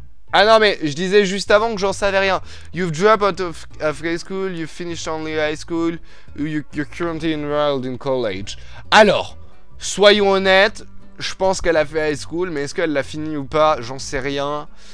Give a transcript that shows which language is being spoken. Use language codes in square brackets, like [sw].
[fr] Ah non, mais je disais juste avant que j'en savais rien. [en] You've dropped out of high school, you've finished only high school, you're currently enrolled in college. [fr] Alors, soyons honnêtes, je pense qu'elle a fait high school, mais est-ce qu'elle l'a fini ou pas? J'en sais rien.